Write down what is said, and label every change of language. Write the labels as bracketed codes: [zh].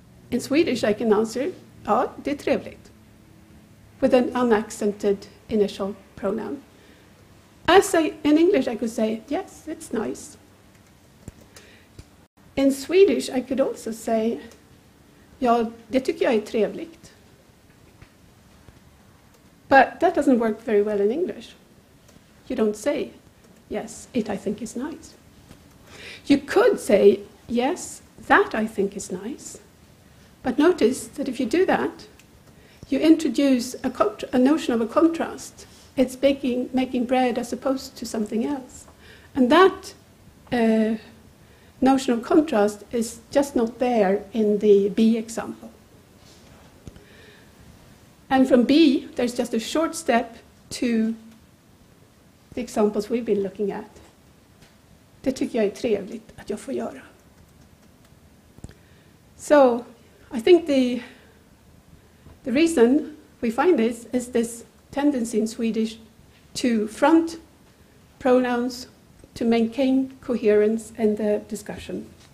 [en] In Swedish I can answer, [sv] ja, det är trevligt. [en] With an unaccented initial pronoun. In English, I could say, yes, it's nice. In Swedish, I could also say, [sv] ja, det tycker jag är trevligt. [en] But that doesn't work very well in English. You don't say, yes, it I think is nice. You could say, yes, that I think is nice. But notice that if you do that, you introduce a notion of a contrast. It's baking, making bread as opposed to something else. And that notion of contrast is just not there in the B example. And from B, there's just a short step to the examples we've been looking at. [sv] Det tycker jag är trevligt att jag får göra. [en] So, I think the reason we find this is this tendency in Swedish to front pronouns to maintain coherence in the discussion.